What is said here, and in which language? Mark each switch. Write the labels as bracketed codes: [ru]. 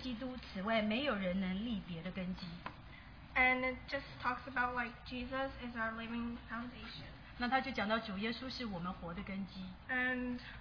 [zh] 在哥林多前书3:11它讲到，因为那已经立好的根基就是耶稣基督，此外没有人能立别的根基. [en] And it just talks about like Jesus is our living foundation. [zh] 那他就讲到主耶稣是我们活的根基。 [en] And